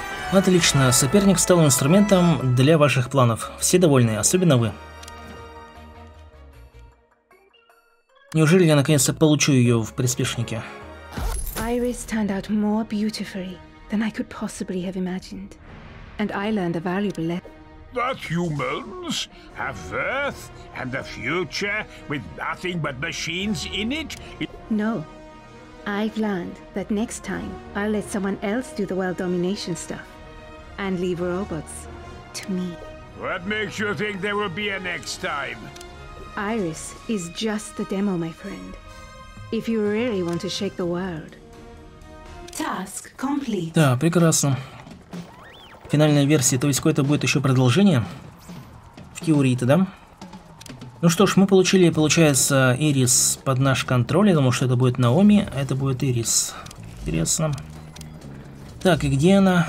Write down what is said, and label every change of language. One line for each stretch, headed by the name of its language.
Russian: Отлично, соперник стал инструментом для ваших планов. Все довольны, особенно вы. Неужели я наконец-то получу ее в приспешнике?
English: Iris turned out more beautifully than I could possibly have imagined. And I learned a valuable lesson. That humans have Earth and a future with nothing but machines in it? No. I've learned that next time I'll let someone else do the world domination stuff. And leave robots to me. What makes you think there will be a next time? Iris is just the demo, my friend. If you really want to shake the world. Task complete.
Russian: Да, прекрасно. Финальная версия, то есть какое-то будет еще продолжение. В теории-то, да? Ну что ж, мы получили, получается, Ирис под наш контроль. Я думал, что это будет Наоми, а это будет Ирис. Интересно. Так, и где она?